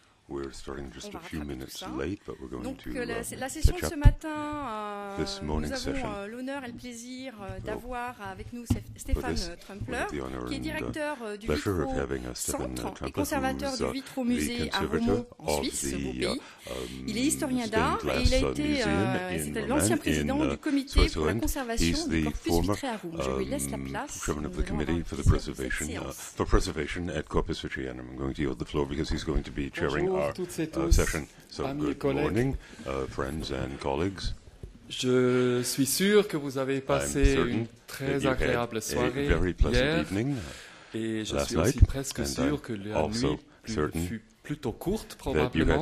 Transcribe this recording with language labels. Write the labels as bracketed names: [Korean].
[English] We're starting just a few minutes late, but we're going to [French] La session de ce matin, nous avons l'honneur et le plaisir d'avoir avec nous Stéphane Trumpler, qui est directeur du Vitro Centre et conservateur du Vitro Musée à Romont, en Suisse, beau pays. Il est historien d'art et il a été l'ancien président du comité pour la conservation du corpus vitré à Romont. Je lui laisse la place. [English] Chairman of the Committee for the Preservation for Preservation at Corpus Vitré, and I'm going to yield the floor because he's going to be chairing session. So good morning, friends and colleagues. [French] Je suis sûr que vous avez passé une très agréable soirée hier, et je suis aussi presque sûr que la nuit fut plutôt courte probablement,